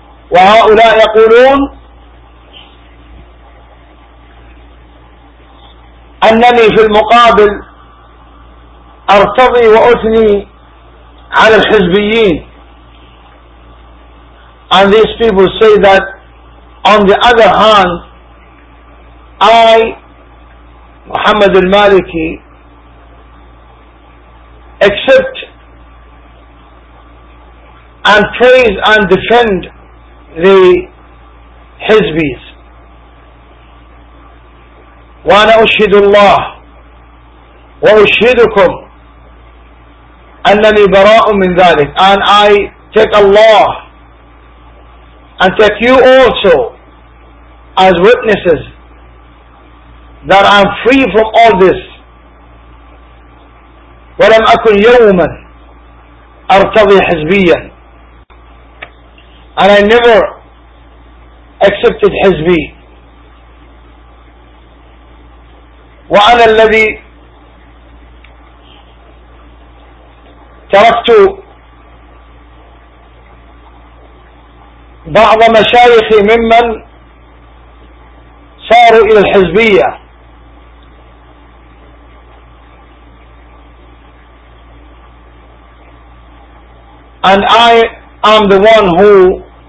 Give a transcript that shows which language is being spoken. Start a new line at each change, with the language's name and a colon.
Arabic: وهؤلاء يقولون أنني في المقابل أرتضي وأثني على الحزبيين.
English: And these people say that on the other hand I, Muhammad al-Maliki, accept and praise and defend the Hizbis.
Arabic: وأنا أشهد الله وأشهدكم أنني براء من ذلك.
English: And I take Allah and take you also as witnesses that I'm free from all this.
Arabic: ولم أكن يوما أرتضي حزبيا.
English: And I never accepted حزبي.
Arabic: وأنا الذي تركت بعض مشايخي ممن صاروا إلى الحزبية،
English: and I am the one who